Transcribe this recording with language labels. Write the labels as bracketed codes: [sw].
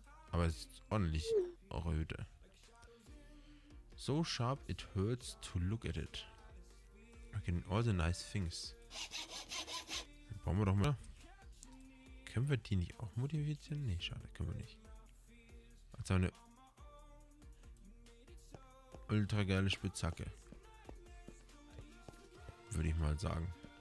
[de] Aber es ist ordentlich röte. [en] So sharp it hurts to look at it. Okay, all the nice things. [de] Bauen wir doch mal. Können wir die nicht auch modifizieren? Nee, schade, können wir nicht. Also eine ultra geile Spitzhacke. Würde ich mal sagen.